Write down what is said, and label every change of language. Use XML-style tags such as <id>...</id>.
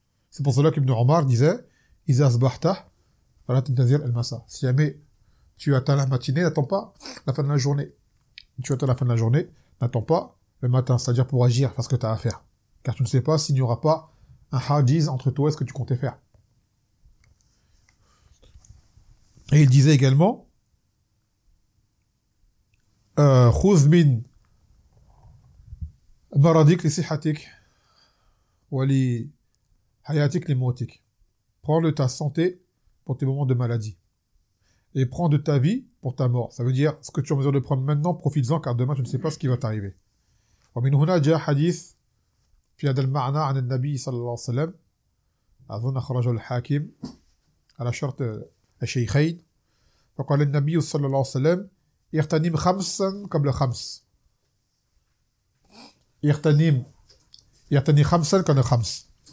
<fr>C'est pour cela qu'Ibn Omar disait,</fr> <ar>Iza asbahta, fala tantazir al-masa.</ar> <fr>Si jamais tu atteins la matinée, n'attends pas la fin de la journée. Si tu atteins la fin de la journée, n'attends pas le matin, c'est-à-dire pour agir, faire ce que tu as à faire. Car tu ne sais pas s'il n'y aura pas un hadith entre toi et ce que tu comptais faire. Et il disait également,</fr> <ar>خذ من مرضك لصحتك ولحياتك لموتك.</ar> <fr>Prends de ta santé pour tes moments de maladie. Et prends de ta vie pour ta mort. Ça veut dire, ce que tu es en mesure de prendre maintenant, profites-en, car demain, tu ne sais pas ce qui va t'arriver.</fr> <ar>ومن هنا جاء حديث في هذا المعنى عن النبي صلى الله عليه وسلم أظن أخرجه الحاكم على شرط الشيخين. فقال النبي صلى الله عليه وسلم اغتنم خمسا قبل خمس يغتنم خمسا قبل خمس</ar>